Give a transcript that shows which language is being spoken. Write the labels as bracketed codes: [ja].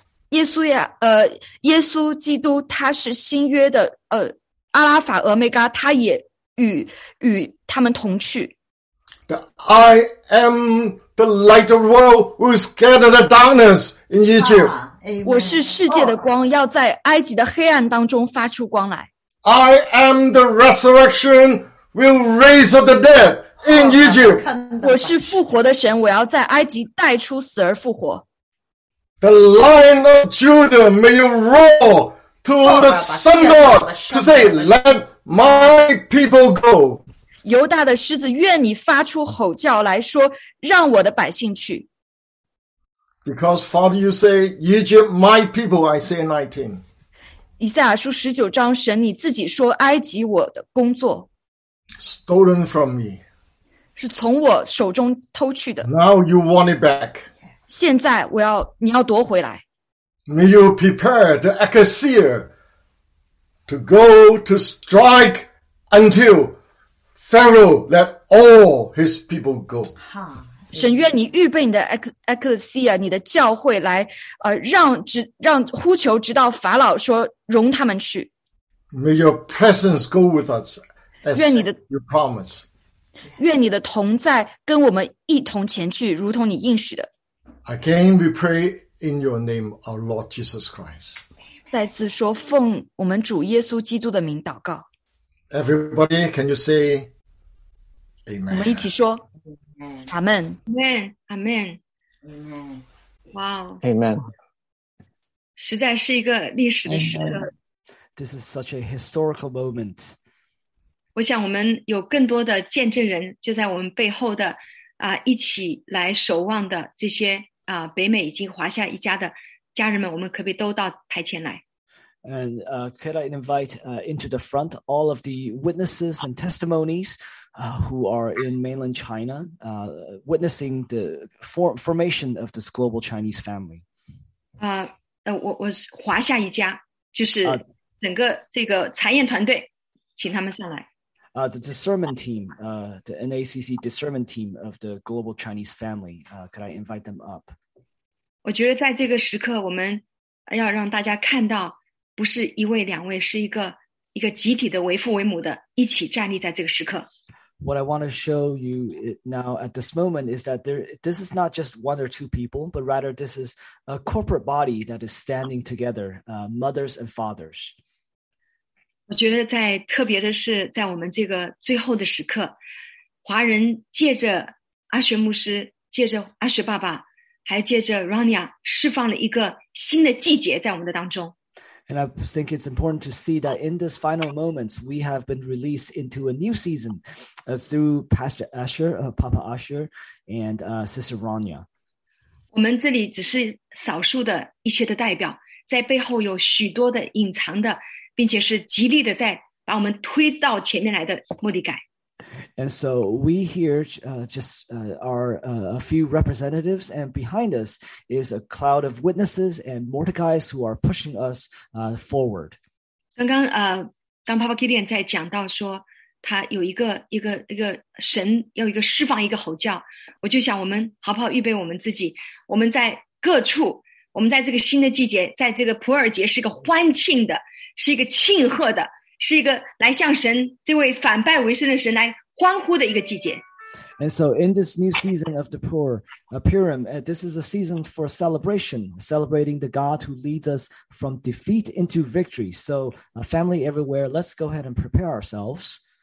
[zh] 耶稣呀，耶稣基督他是新约的阿拉法俄梅伽，他也与他们同去。 [en] The I am the light of the world who scatter the darkness in Egypt. [zh] 我是世界的光，要在埃及的黑暗当中发出光来。 [en] I am the resurrection will raise up the dead in Egypt. [zh] 我是复活的神，我要在埃及带出死而复活。 [en] The Lion of Judah, may you roar to the Sun God to say, "Let my people go." [zh] 犹大的狮子，愿你发出吼叫来说，让我的百姓去。 [en] Because Father, you say, "Egypt, my people." Isaiah 19. [zh] 以赛亚书十九章，神你自己说，埃及我的工作。 [en] Stolen from me. [zh] 是从我手中偷去的。 [en] Now you want it back. [zh] 现在我要你要夺回来。 [en] May you prepare the ecclesia to go to strike until Pharaoh let all his people go. [zh] 神愿你预备你的 ecclesia 你的教会来让呼求直到法老说容他们去。 [en] May your presence go with us as you promise. [zh] 愿你的同在跟我们一同前去如同你应许的。 [en] Again, we pray in your name, our Lord Jesus Christ. [zh] 再次说，奉我们主耶稣基督的名祷告。 [en] Everybody, can you say, "Amen"? [zh] 我们一起说，阿门，阿门，阿门，阿门。Wow, [en] Amen. [zh] 实在是一个历史的时刻。 [en] Amen. This is such a historical moment. [zh] 我想我们有更多的见证人就在我们背后的。一起来守望的这些北美以及华夏一家的家人们，我们可不可以都到台前来 [en] ？And could I invite into the front all of the witnesses and testimonies who are in mainland China, witnessing the formation of this global Chinese family? [zh] 我华夏一家就是整个这个产业团队，请他们上来。 [en] The discernment team, the NACC discernment team of the global Chinese family, could I invite them up? [zh] 我觉得在这个时刻，我们要让大家看到，不是一位两位，是一个集体的为父为母的，一起站立在这个时刻。 [en] What I want to show you now at this moment is that this is not just one or two people, but rather this is a corporate body that is standing together, mothers and fathers. [zh] 我觉得在特别的是在我们这个最后的时刻华人借着阿学牧师借着阿学爸爸还借着 Rania 释放了一个新的季节在我们的当中 [en] And I think it's important to see that in this final moments we have been released into a new season through Pastor Asher, Papa Asher and Sister Rania [zh] 我们这里只是少数的一些的代表在背后有许多的隐藏的并且是极力的在把我们推到前面来的莫迪改。 [en] And so we here are a few representatives, and behind us is a cloud of witnesses and Mordecais who are pushing us forward. [zh] 刚刚当 Papa Gideon 在讲到说他有一个神要一个释放一个吼叫，我就想我们好不好预备我们自己？我们在各处，我们在这个新的季节，在这个普尔节是一个欢庆的。是一个庆贺的，是一个来向神这位反败为胜的神来欢呼的一个季节。 [en] And so in this new season of the Purim, this is a season for celebration, celebrating the God who leads us from defeat into victory. So family everywhere, let's go ahead and prepare ourselves.